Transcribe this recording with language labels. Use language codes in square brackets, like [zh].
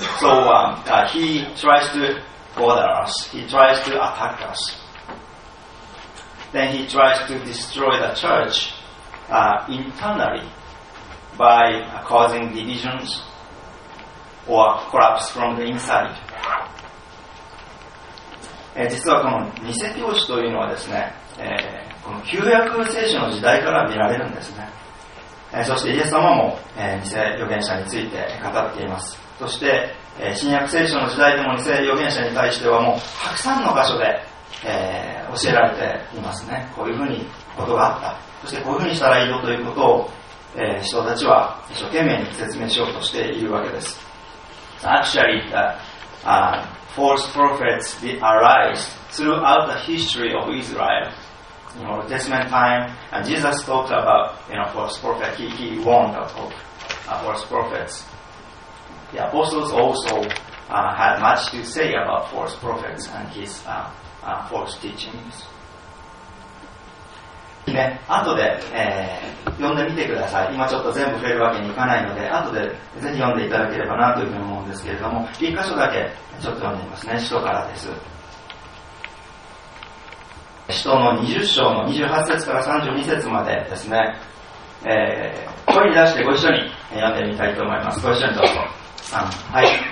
[en] So he tries to bother us. He tries to attack us. Then he tries to destroy the church. Internally, by causing divisions or collapse from the inside. [ja] 実はこの偽教師というのはですね、この旧約聖書の時代から見られるんですね。そしてイエス様も偽預言者について語っています。そして新約聖書の時代でも偽預言者に対してはもうたくさんの場所で教えられていますね。こういうふうにことがあった、そしてこういうふうにしたらいいよということを人たちは一生懸命に説明しようとしているわけです。 [en] Actually, the false prophets arise throughout the history of Israel. In Old Testament time, and Jesus talked about, you know, false prophets. He warned of false prophets. The apostles also had much to say about false prophets and his false teachings. [ja] ね、後で、読んでみてください。今ちょっと全部触れるわけにいかないので、後でぜひ読んでいただければなというふうに思うんですけれども、一箇所だけちょっと読んでみますね。使徒からです。使徒の20章の28節から32節までですね、声に出してご一緒に読んでみたいと思います。ご一緒にどうぞ。はい。